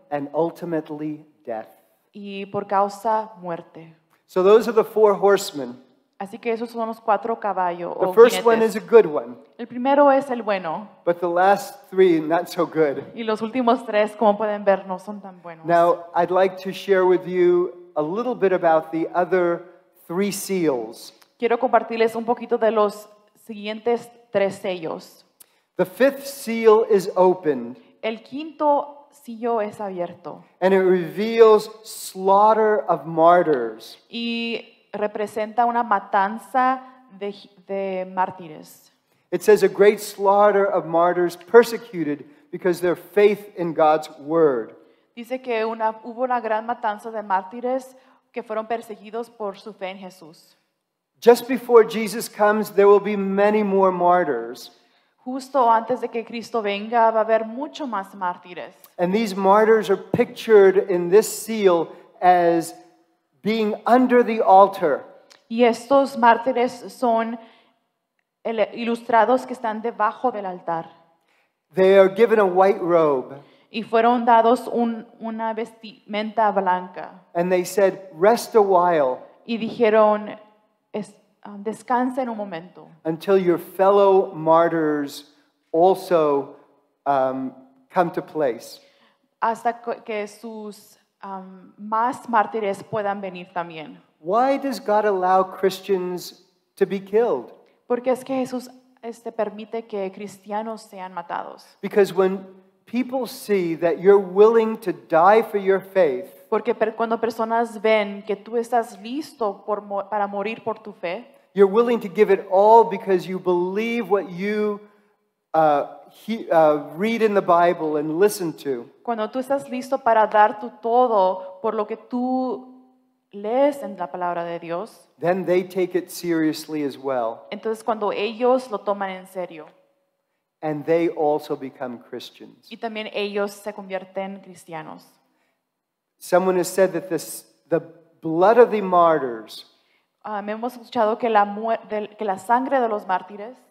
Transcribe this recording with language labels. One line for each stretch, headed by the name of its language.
English: and ultimately death,
Spanish: y por causa muerte.
English: So those are the four horsemen.
Spanish: Así que esos son los cuatro caballos.
English: The first one is a good one.
Spanish: El primero es el bueno.
English: But the last three, not so good.
Spanish: Y los últimos tres, como pueden ver, no son tan buenos.
English: Now, I'd like to share with you a little bit about the other three seals.
Spanish: Quiero compartirles un poquito de los siguientes tres sellos.
English: The fifth seal is opened.
Spanish: El quinto sello es abierto.
English: And it reveals slaughter of martyrs.
Spanish: Y representa una matanza de mártires.
English: It says a great slaughter of martyrs persecuted because their faith in God's word.
Spanish: Dice que hubo una gran matanza de mártires que fueron perseguidos por su fe en Jesús.
English: Just before Jesus comes, there will be many more martyrs.
Spanish: Justo antes de que Cristo venga, va a haber mucho más mártires.
English: And these martyrs are pictured in this seal as being under the altar.
Spanish: Y estos mártires son ilustrados que están debajo del altar.
English: They are given a white robe.
Spanish: Y fueron dados una vestimenta blanca.
English: And they said, rest a while.
Spanish: Y dijeron, descansen un momento.
English: Until your fellow martyrs also come to place.
Spanish: Hasta que sus más mártires puedan venir también.
English: Why does God allow Christians to be killed?
Spanish: Porque es que Jesús permite que cristianos sean matados.
English: Because when people see that you're willing to die for your faith,
Spanish: porque cuando personas ven que tú estás listo para morir por tu fe,
English: you're willing to give it all because you believe what you read in the Bible and listen to.
Spanish: Cuando tú estás listo para dar tu todo por lo que tú lees en la palabra de Dios,
English: then they take it seriously as well.
Spanish: Entonces cuando ellos lo toman en serio,
English: and they also become Christians.
Spanish: Y también ellos se convierten cristianos.
English: Someone has said that this, the blood of the martyrs,
Spanish: hemos escuchado que la sangre de los mártires